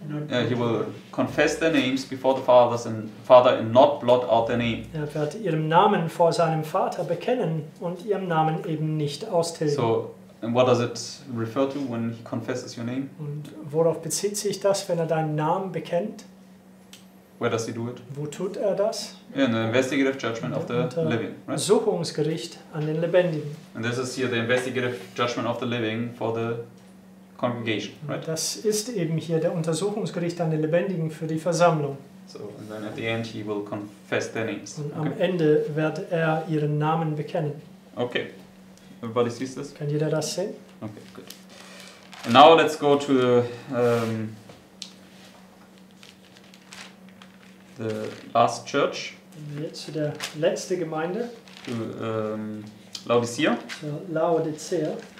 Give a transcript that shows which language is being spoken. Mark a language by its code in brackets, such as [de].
[en] Yeah, he will confess their names before the fathers and father and not blot out their name. [de] Er wird ihren Namen vor seinem Vater bekennen und ihrem Namen eben nicht austilgen. [en] So, and what does it refer to when he confesses your name? [de] Und worauf bezieht sich das, wenn er deinen Namen bekennt? [en] Where does he do it? [de] Wo tut er das? [en] Yeah, in the investigative judgment of the living, right? [de] Untersuchungsgericht an den Lebendigen. [en] And this is here the investigative judgment of the living for the congregation, right? [de] Das ist eben hier der Untersuchungsgericht an den Lebendigen für die Versammlung. [en] So, and then at the end he will confess their names. [de] Und am Ende wird er ihren Namen bekennen. [en] Okay. Everybody sees this? [de] Kann jeder das sehen? [en] Okay, good. And now let's go to the last church. [de] Zu der letzte Gemeinde. [en] To, Laodicea. [de] So Laodicea.